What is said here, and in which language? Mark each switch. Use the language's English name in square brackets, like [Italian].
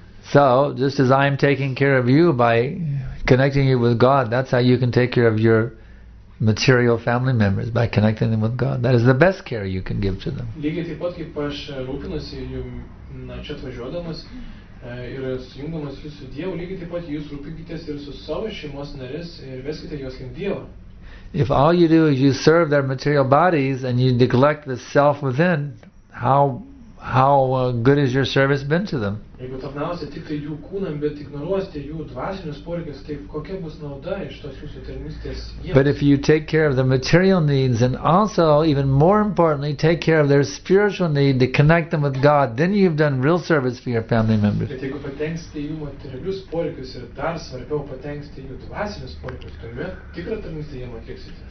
[English] So, just as I am taking care of you by connecting you with God, that's how you can take care of your material family members, by connecting them with God. That is the best care you can give to them. [Lithuanian] Lygiai taip pat, kaip aš rūpinuosi jum, čia atvažiuodamas ir sujungdamas jūsų Dievu, lygiai taip pat jūs rūpinkitės ir su savo šeimos narės ir veskite juos link Dievo. [English] If all you do is you serve their material bodies and you neglect the self within, how good has your service been to them? [Lithuanian] Jeigu tarnausite tik jų kūnam, bet ignoruosite jų dvasinius poreikius, tai kokia bus nauda iš tos jūsų tarnystės? [English] But if you take care of the material needs and also, even more importantly, take care of their spiritual need to connect them with God, then you've done real service for your family members. [Lithuanian] Bet jeigu patenksite jų materialius poreikius ir dar svarbiau patenksite jų dvasinius poreikius, tuomet tikrą tarnystę jiems atliksite.